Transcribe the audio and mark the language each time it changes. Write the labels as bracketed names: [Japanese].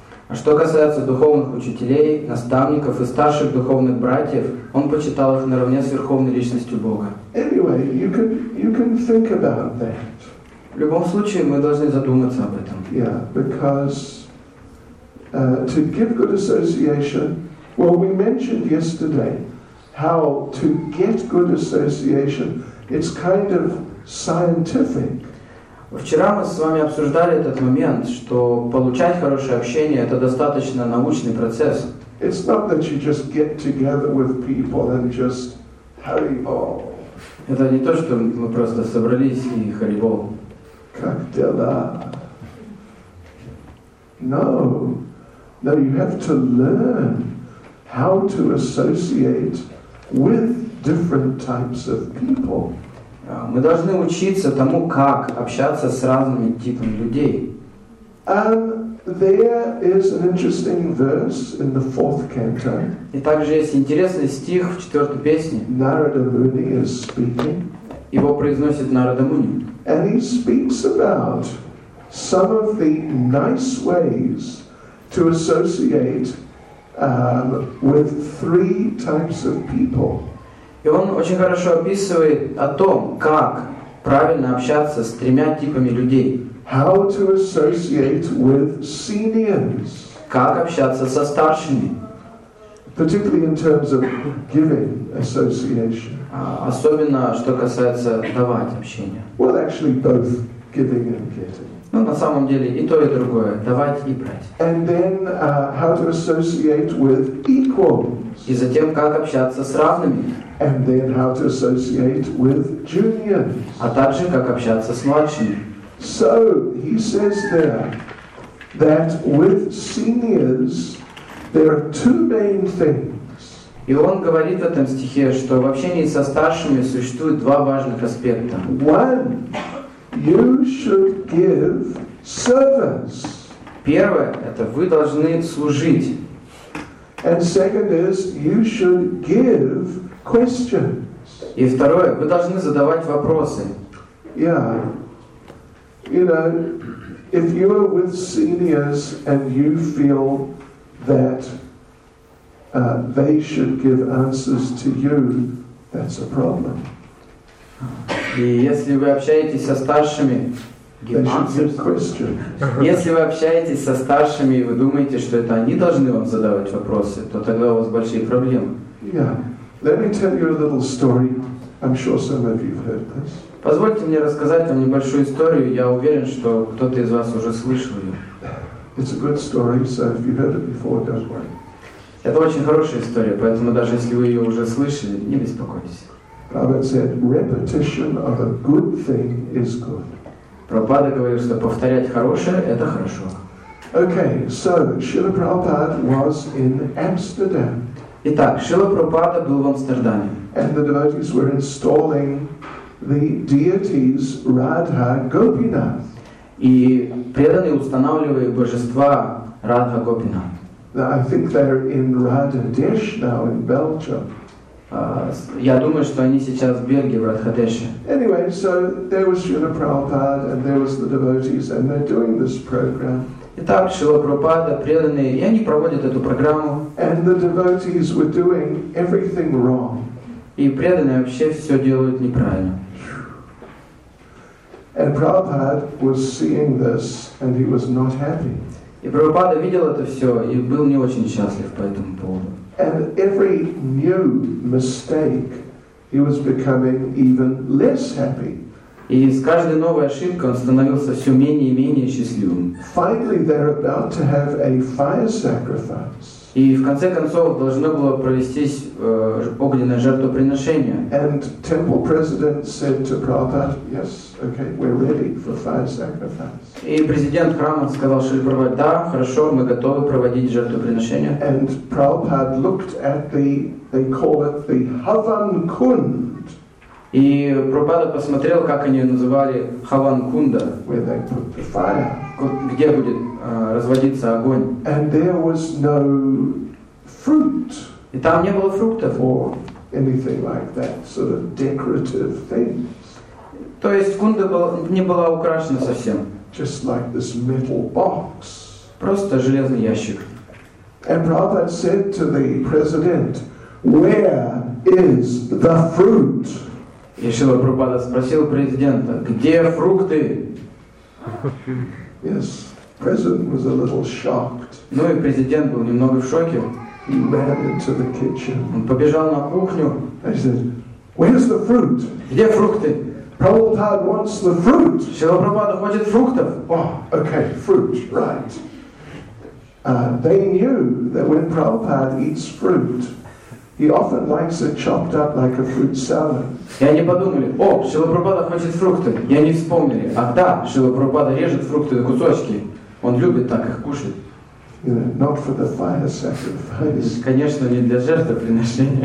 [Russian] А что касается духовных учителей, наставников и старших духовных братьев, он почитал их наравне с верховной личностью Бога. [English] Anyway, you can think about that. [Russian] В любом случае, мы должны задуматься об этом. [English] Yeah, because to give good association, well, we mentioned yesterday. How to get good association? It's kind of scientific. [Russian] Вчера мы с вами обсуждали этот момент, что получать хорошее общение — это достаточно научный процесс. [English] It's not that you just get together with people and just hurry ball. [Russian] Это не то, что мы просто собрались и [English] hurry ball. [Russian] Как дела? [English] No, no, you have to learn how to associate. With different types of people. [Russian] Мы должны учиться тому, как общаться с разными типами людей. [English] There is an interesting verse in the fourth canto. [Russian] И также есть интересный стих в четвертой песне. [English] Narada Muni is speaking. [Russian] Его произносит Нарада Муни. [English] And he speaks about some of the nice ways to associate. With three types of people. [Russian] И он очень хорошо описывает о том, как правильно общаться с тремя типами людей. [English] How to associate with seniors. [Russian] Как общаться со старшими. [English] Particularly in terms of giving association. [Russian] Особенно что касается давать общения. [English] Well, actually, both giving and getting. [Russian] Ну, на самом деле, и то, и другое. Давать и брать. [English] And then, how to associate with equals. [Russian] И затем, как общаться с равными. [English] And then, how to associate with juniors. [Russian] А также, как общаться с младшими. [English] So, he says there, that with seniors, there are two main things. [Russian] И он говорит в этом стихе, что в общении со старшими существует два важных аспекта. [English] One. You should give service. [Russian] Первое – это вы должны служить. [English] And second is you should give questions. [Russian] И второе – вы должны задавать вопросы. [English] Yeah. You know, if you are with seniors and you feel that they should give answers to you, that's a problem. [Russian] И если вы общаетесь со старшими, если вы общаетесь со старшими и вы думаете, что это они должны вам задавать вопросы, то тогда у вас большие проблемы. [English] Yeah. Let me tell you a little story. I'm sure some of you've heard this. [Russian] Позвольте мне рассказать вам небольшую историю. Я уверен, что кто-то из вас уже слышал ее. [English] It's a good story, so if you've heard it before, don't worry. [Russian] Это очень хорошая история, поэтому даже если вы ее уже слышали, не беспокойтесь. [English] Prabhupada said, "Repetition of a good thing is good." [Russian] Prabhupada говорит, что повторять хорошее – это хорошо. [English] Okay, so Srila Prabhupada was in Amsterdam. [Russian] Итак, Шрила Прабхупада был в Амстердаме. [English] And the devotees were installing the deities Radha Gopinath. [Russian] И преданные устанавливали божества Радха Гопинат. [English] I think they're in Radha Desh now in Belgium. [Russian] Я думаю, что они сейчас в Бельгии, в Радхадеше. [English] Anyway, so there was Srila Prabhupada and there was the devotees and they're doing this program. [Russian] Итак, Шрила Прабхупада, преданные, и они проводят эту программу. [English] And the devotees were doing everything wrong. [Russian] И преданные вообще все делают неправильно. [English] And Prabhupada was seeing this and he was not happy. [Russian] И Прабхупада видел это все и был не очень счастлив по этому поводу. [English] And every new mistake, he was becoming even less happy. [Russian] И с каждой новой ошибкой он становился все менее и менее счастливым. [English] Finally, they're about to have a fire sacrifice. [Russian] И в конце концов должно было провестись огненное жертвоприношение. [English] And temple president said to Prabhupada, "Yes, okay, we're ready for fire sacrifice." [Russian] И президент храма сказал Шриле Прабхупаде, "Да, хорошо, мы готовы проводить жертвоприношение." [English] And Prabhupada looked at the, they call it the Havan Kund. [Russian] И Прабхупада посмотрел, как они называли Хаван Кунда, [English] where they put the fire. [Russian] Где будет разводиться огонь. [English] And there was no fruit. [Russian] И там не было фруктов. [English] Or anything like that, sort of decorative things. [Russian] То есть кунда не была украшена совсем. [English] Just like this metal box. [Russian] Просто железный ящик. [English] And Prabhupada said to the president, "Where is the fruit?" [Russian] И Шрила Прабхупада спросил президента, где фрукты? [English] Yes, president was a little shocked. [Russian] Ну и президент был немного в шоке. [English] He ran into the kitchen. [Russian] Он побежал на кухню. [English] He said, "Where's the fruit?" [Russian] Где фрукты? [English] Prabhupada wants the fruit. [Russian] Шрила Прабхупада хочет фруктов. [English] Oh, okay, fruit, right. They knew that when Prabhupada eats fruit, he often likes it chopped up like a fruit salad. [Russian] И они подумали, о, Шрила Прабхупада хочет фрукты. И они вспомнили, ах да, Шрила Прабхупада режет фрукты на кусочки. Он любит так их кушать. [English] You know, not for the fire sacrifice. [Russian] Конечно, не для жертвоприношения.